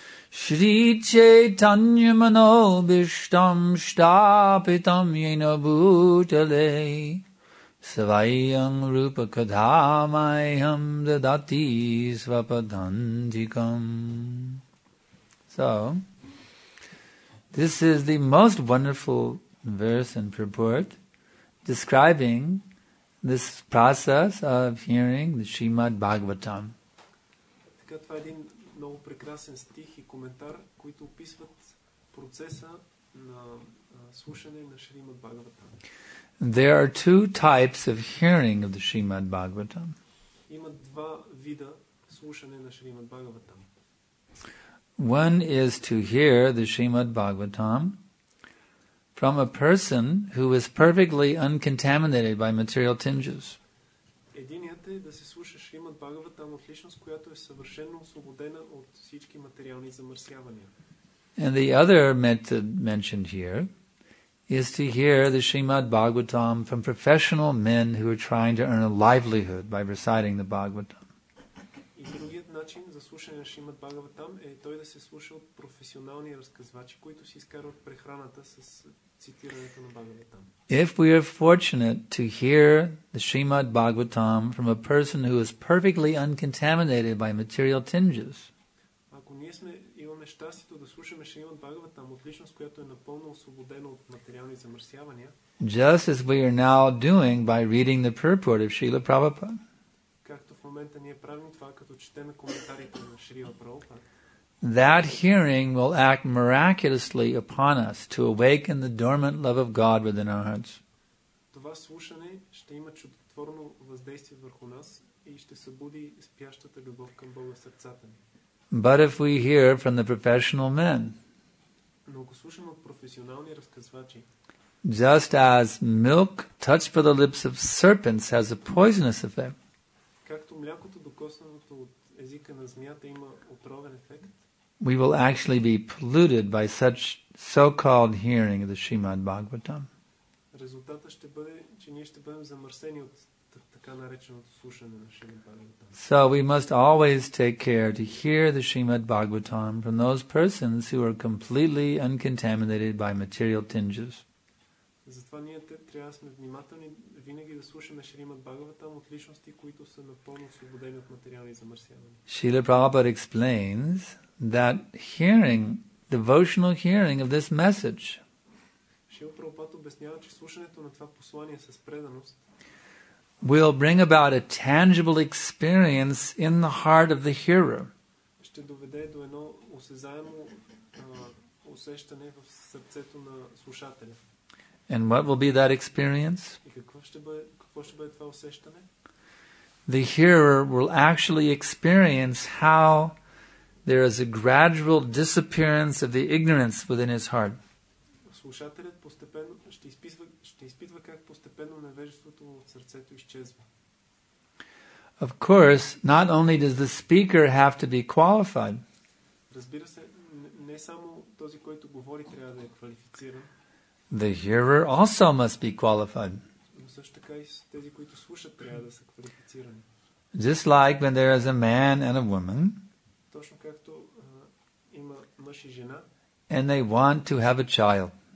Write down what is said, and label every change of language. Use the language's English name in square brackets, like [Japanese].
[Sanskrit] Shri Chaitanya Manobishtam Shtapitam Yena Bhutale Svayam rupa kadhamayam dadati svapadandikam. [English] So, this is the most wonderful verse and purport describing this process of hearing the Srimad Bhagavatam. [Bulgarian] Така, това е един много прекрасен стих и коментар, които описват процеса на слушане на Шримад Бхагаватам. [English] There are two types of hearing of the Srimad Bhagavatam. [Bulgarian] Има два вида слушане на Шримад Бхагаватам. [English] One is to hear the Srimad Bhagavatam from a person who is perfectly uncontaminated by material tinges. [Bulgarian] Единият е да се слуша Шримад Бхагаватам от личност, която е съвършено освободена от всички материални замърсявания. [English] And the other method mentioned here is to hear the Srimad Bhagavatam from professional men who are trying to earn a livelihood by reciting the Bhagavatam. [Bulgarian] И другият начин за слушане на Шримад Бхагаватам е той да се слуша от професионални разказвачи, които си изкарват прехраната с цитирането на Бхагаватам. [English] If we are fortunate to hear the Srimad Bhagavatam from a person who is perfectly uncontaminated by material tinges, [Bulgarian] ако ние сме щастието да слушаме Шримад Бхагаватам от личност, която е напълно освободена от материални замърсявания. [English] Just as we are now doing by reading the purport of Srila Prabhupada. [Bulgarian] Както в момента ние правим това, като четем коментарите на Шрила Прабхупада. [English] That hearing will act miraculously upon us to awaken the dormant love of God within our hearts. [Bulgarian] Това слушане ще има чудотворно въздействие върху нас и ще събуди спящата любов към Бога в сърцата ни. [English] But if we hear from the professional men, [Bulgarian] но ако слушаме от професионални разказвачи, [English] just as milk touched by the lips of serpents has a poisonous effect, [Bulgarian] както млякото докоснато от езика на змията има отровен ефект, [English] we will actually be polluted by such so-called hearing of the Srimad Bhagavatam. [Bulgarian] Резултатът ще бъде, че ние ще бъдем замърсени от така нареченото слушане на Шримад Бхагаватам. [English] So we must always take care to hear the Srimad Bhagavatam from those persons who are completely uncontaminated by material tinges. [Bulgarian] Затова ние трябва да сме внимателни винаги да слушаме Шримад Бхагаватам от личности, които са напълно освободени от материални замърсявания. [English] Шрила Прабхупада explains that hearing, devotional hearing of this message, [Bulgarian] Шрила Прабхупада обяснява, че слушането на това послание с преданост [English] will bring about a tangible experience in the heart of the hearer. [Bulgarian] Ще доведе до едно осезаемо усещане в сърцето на слушателя. [English] And what will be that experience? [Bulgarian] И какво ще бъде това усещане? [English] The hearer will actually experience how there is a gradual disappearance of the ignorance within his heart. [Bulgarian] Слушателят постепенно ще изпитва как постепенно невежеството от сърцето изчезва. [English] Of course, not only does the speaker have to be qualified. [Bulgarian] Разбира се, не само този, който говори, трябва да е квалифициран. [English] The hearer also must be qualified. [Bulgarian] Но също така и тези, които слушат, трябва да са квалифицирани. [English] Just like when there is a man and a woman. [Bulgarian] Точно както има мъж и жена. [English] And they want to have a child.